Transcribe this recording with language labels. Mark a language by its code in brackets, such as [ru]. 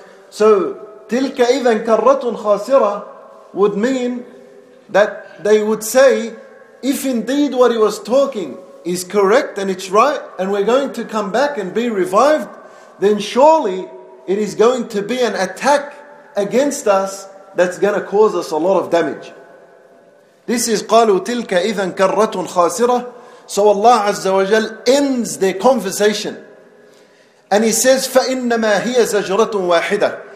[en] So, [ar] تِلْكَ إِذًا كَرَّةٌ خَاسِرَةٌ [en] would mean that they would say, if indeed what he was talking is correct and it's right, and we're going to come back and be revived, then surely it is going to be an attack against us that's going to cause us a lot of damage. This is [ar] قَالُوا تِلْكَ إِذًا كَرَّةٌ خَاسِرَةٌ. [en] So Allah Azza wa Jal ends their conversation. And He says, [ar] فَإِنَّمَا هِيَ زَجْرَةٌ وَاحِدَةٌ.